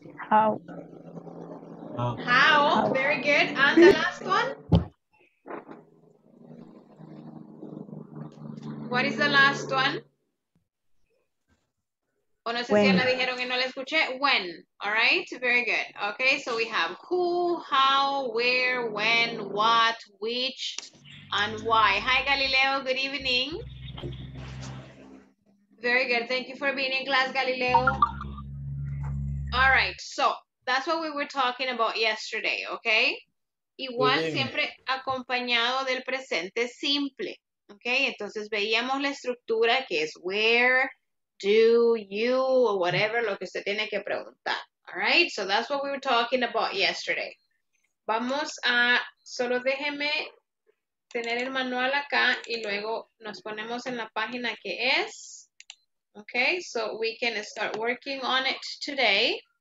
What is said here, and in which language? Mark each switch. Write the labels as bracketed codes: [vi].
[en] How? How? How? Very good. And the last one? What is the last one? [es] O no sé si la dijeron y no la escuché. [en] When. All right. Very good. Okay. So we have who, how, where, when, what, which, and why. Hi, Galileo. Good evening. Very good. Thank you for being in class, Galileo. All right. So that's what we were talking about yesterday. [es] Okay. Igual siempre acompañado del presente simple. Okay. Entonces veíamos la estructura que es where. [en] Do you or whatever, [es] lo que usted tiene que preguntar. [en] All right, so that's what we were talking about yesterday. [es] Vamos a, solo déjeme tener el manual acá y luego nos ponemos en la página que es. [en] Okay, so we can start working on it today.